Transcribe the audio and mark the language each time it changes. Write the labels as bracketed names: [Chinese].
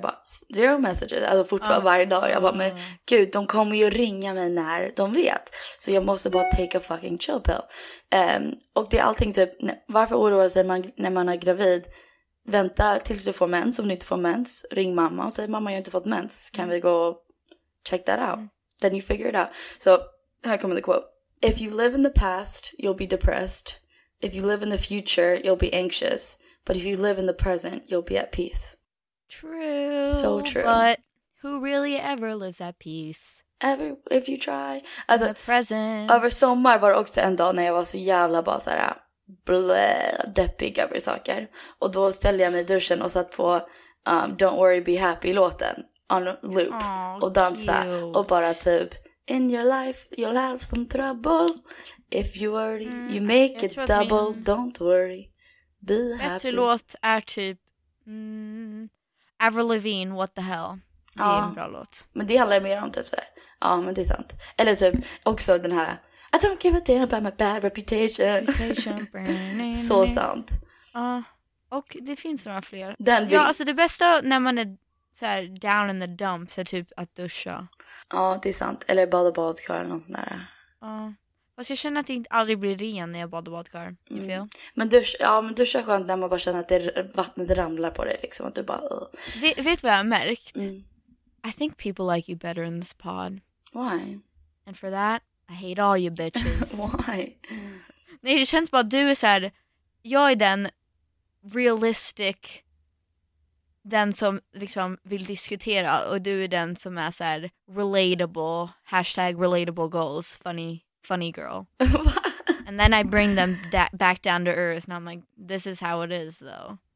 [Swedish] Bara, [English] zero messages. [Swedish] Alltså fortfarande varje dag. Jag bara, men gud, de kommer ju ringa mig när de vet. Så jag måste bara [English] take a fucking chill pill. [Swedish] Och det är allting typ, varför oroa sig när man är gravid? Vänta tills du får mens. Om du inte får mens, ring mamma och säg, mamma, jag har inte fått mens. Kan vi gå och [English] check that out? Then you figure it out. [Swedish] Så här kommer [English] the quote. If you live in the past, you'll be depressed. If you live in the future, you'll be anxious. But if you live in the present, you'll be at peace. True. So true. But who really ever lives at peace? Ever, if you try. [Swedish] Alltså, [English] the present. [Swedish] Över sommar var det också en dag när jag var så jävla bara såhär deppig över saker. Och då ställde jag mig i duschen och satt på Don't Worry Be Happy-låten [English] on loop. [Swedish] Aww, och dansa. Cute. Och bara typ, [English] in your life you'll have some trouble. If you worry, you make it double. Don't worry. Be [Swedish] bättre [English] happy. [Swedish] Låt är typ Avril Lavigne, What the Hell. Det är en bra låt. Men det handlar mer om typ så här. Ja, men det är sant. Eller typ också den här, [English] I don't give a damn about my bad reputation. [Swedish] Så sant. Och det finns några fler. Den alltså det bästa när man är så här, [English] down in the dumps [Swedish] är typ att duscha. Ja, det är sant. Eller bada badkar eller något sånt där. Ja. Fast jag känner att det aldrig blir ren när jag badar badkar. [English] You feel? [Swedish] Men duscha är skönt när man bara känner att vattnet ramlar på dig. Liksom, att du bara... Vet vad jag har märkt? [English] I think people like you better in this pod. Why? And for that, I hate all you bitches. Why? [Swedish] Nej, det känns bara att du är så här, jag är den realistic, den som liksom vill diskutera, och du är den som är så här relatable, [English] hashtag relatable goals, funny girl. And then I bring them back down to earth, and I'm like, this is how it is, though.